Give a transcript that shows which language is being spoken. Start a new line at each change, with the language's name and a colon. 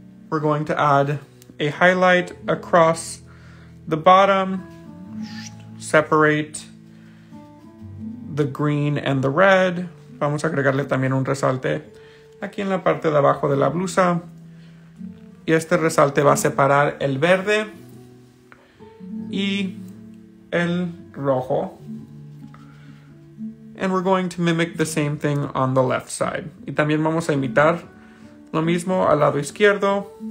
English: We're going to add a highlight across the bottom, separate the green and the red.
Spanish: Vamos a agregarle también un resalte aquí en la parte de abajo de la blusa. Y este resalte va a separar el verde y el rojo.
English: And we're going to mimic the same thing on the left side.
Spanish: Y también vamos a imitar lo mismo al lado izquierdo.